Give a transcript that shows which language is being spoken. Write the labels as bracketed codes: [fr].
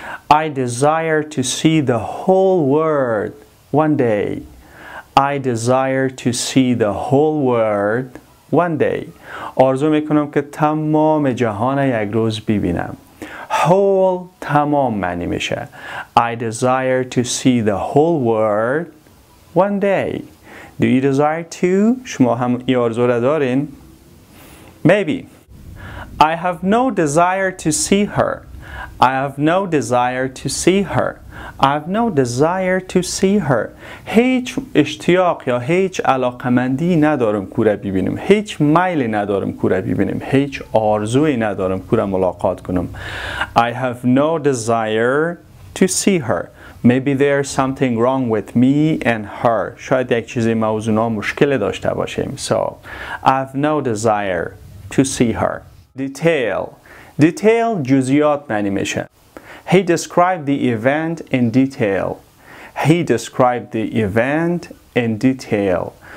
[en] I desire to see the whole world one day. I desire to see the whole world one day. [fa] آرزو میکنم که تمام جهان یک روز ببینم. Whole, تمام معنی میشه. [en] I desire to see the whole world one day. Do you desire to? [fa] شما هم این آرزو را دارین؟ Maybe. [en] I have no desire to see her. I have no desire to see her. I have no desire to see her. [fa] هیچ اشتیاق یا هیچ علاقمندی ندارم کورا ببینم. هیچ میلی ندارم کورا ببینم. هیچ آرزویی ندارم کورا ملاقات کنم. [en] I have no desire to see her. Maybe there is something wrong with me and her. [fa] شاید یک چیزی موضوعنا مشکل داشته باشیم. [en] So, I have no desire to see her. Detail. Detail [fa] جزئیات معنی میشه. [en] He described the event in detail. He described the event in detail.